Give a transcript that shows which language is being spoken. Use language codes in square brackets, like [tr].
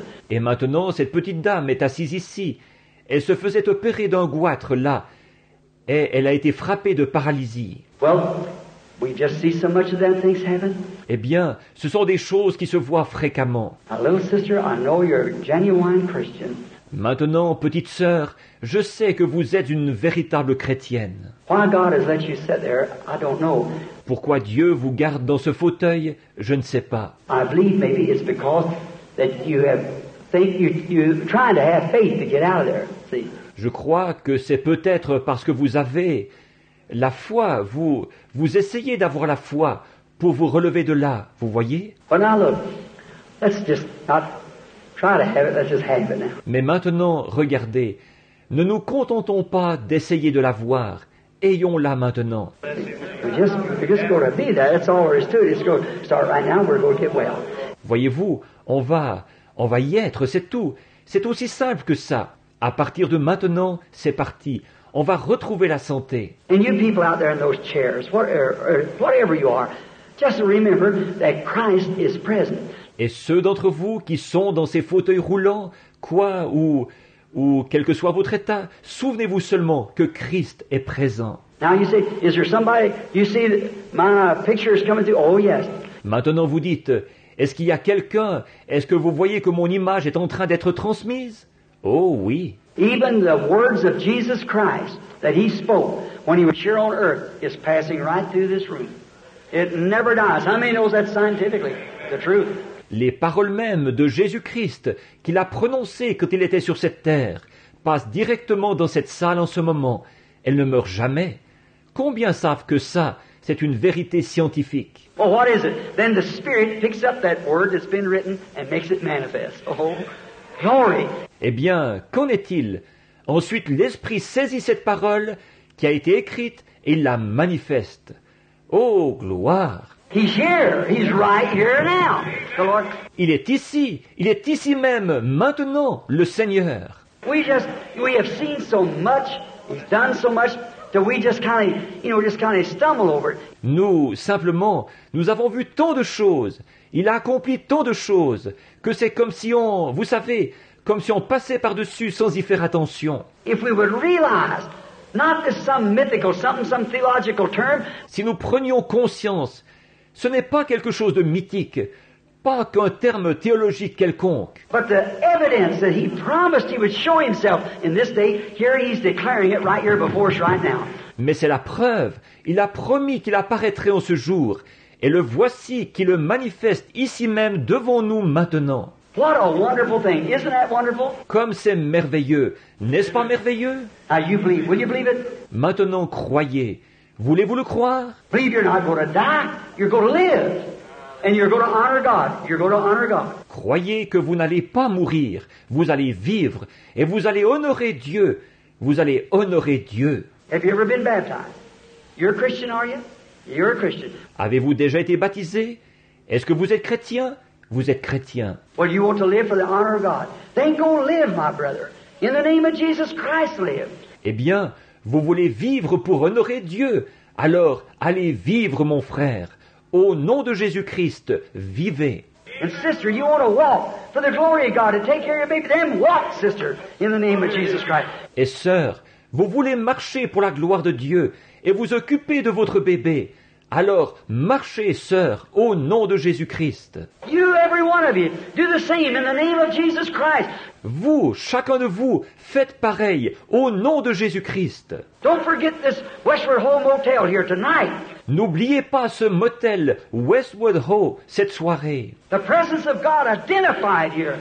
[fr] Et maintenant, cette petite dame est assise ici. Elle se faisait opérer d'un goitre là. Et elle a été frappée de paralysie. [en] Well, we just see so much of them things happen. [fr] Eh bien, ce sont des choses qui se voient fréquemment. [en] Now, little sister, I know you're a genuine Christian. [fr] Maintenant, petite sœur, je sais que vous êtes une véritable chrétienne. [en] Why God has let you sit there, I don't know. [fr] Pourquoi Dieu vous garde dans ce fauteuil, je ne sais pas. [en] I believe maybe it's because that you have think you're trying to have faith to get out of there. See. [fr] Je crois que c'est peut-être parce que vous avez la foi, vous essayez d'avoir la foi pour vous relever de là, vous voyez? [en] But now look, let's just not try to have it, let's just have it now. [fr] Mais maintenant, regardez, ne nous contentons pas d'essayer de la voir, ayons-la maintenant. [en] We're just going to be there, that's all there is to it. It's going to start right now, we're going to get well. [fr] Voyez-vous, on va y être, c'est tout. C'est aussi simple que ça. À partir de maintenant, c'est parti. On va retrouver la santé. [en] And you people out there in those chairs, whatever you are, just remember that Christ is present. [fr] Et ceux d'entre vous qui sont dans ces fauteuils roulants, quoi ou quel que soit votre état, souvenez-vous seulement que Christ est présent. [en] Now you say, is there somebody? You see my picture is coming through? Oh yes. [fr] Maintenant vous dites, est-ce qu'il y a quelqu'un? Est-ce que vous voyez que mon image est en train d'être transmise? Oh oui. [en] Even the words of Jesus Christ that he spoke when he was here on earth is passing right through this room. It never dies. How many knows that scientifically? The truth. [fr] Les paroles mêmes de Jésus-Christ qu'il a prononcées quand il était sur cette terre passent directement dans cette salle en ce moment. Elles ne meurent jamais. Combien savent que ça, c'est une vérité scientifique? [en] Well, what is it? Then the Spirit picks up that word that's been written and makes it manifest. Oh, glory! [fr] Eh bien, qu'en est-il? Ensuite, l'Esprit saisit cette parole qui a été écrite et la manifeste. Oh, gloire! [en] He's here. He's right here now. The Lord. [fr] Il est ici. Il est ici même, maintenant, le Seigneur. [en] We have seen so much. He's done so much that we just kind of, you know, just kind of stumble over it. [fr] Nous, simplement, nous avons vu tant de choses. Il a accompli tant de choses que c'est comme si on, vous savez, comme si on passait par-dessus sans y faire attention. [en] If we would realize, not as some mythical, some theological term. [fr] Si nous prenions conscience, ce n'est pas quelque chose de mythique, pas qu'un terme théologique quelconque. [en] But the evidence that he promised he would show himself in this day, here he's declaring it right here before us right now. [fr] Mais c'est la preuve. Il a promis qu'il apparaîtrait en ce jour. Et le voici qui le manifeste ici même devant nous maintenant. [en] What a wonderful thing. Isn't that wonderful? [fr] Comme c'est merveilleux. N'est-ce pas merveilleux? [en] Now you believe. Will you believe it? [fr] Maintenant, croyez. Voulez-vous le croire? [en] Believe you're not going to die. You're going to live. And you're going to honor God. You're going to honor God. [fr] Croyez que vous n'allez pas mourir. Vous allez vivre. Et vous allez honorer Dieu. Vous allez honorer Dieu. [en] Have you ever been baptized? You're a Christian, are you? You're a Christian. [fr] Avez-vous déjà été baptisé? Est-ce que vous êtes chrétien? Vous êtes chrétien. [en] Well, you want to live for the honor of God. Then go live, my brother. In the name of Jesus Christ, live. [fr] Eh bien, vous voulez vivre pour honorer Dieu. Alors, allez vivre, mon frère. Au nom de Jésus-Christ, vivez. [en] And sister, you want to walk for the glory of God and take care of your baby. Then walk, sister, in the name of Jesus Christ. [fr] Et sœur, vous voulez marcher pour la gloire de Dieu et vous occuper de votre bébé. Alors, marchez, sœur, au nom de Jésus-Christ. [en] You, every one of you, do the same in the name of Jesus Christ. [fr] Vous, chacun de vous, faites pareil au nom de Jésus-Christ. [en] Don't forget this Westward Ho motel here tonight. [fr] N'oubliez pas ce motel Westward Ho cette soirée. [en] The presence of God identified here.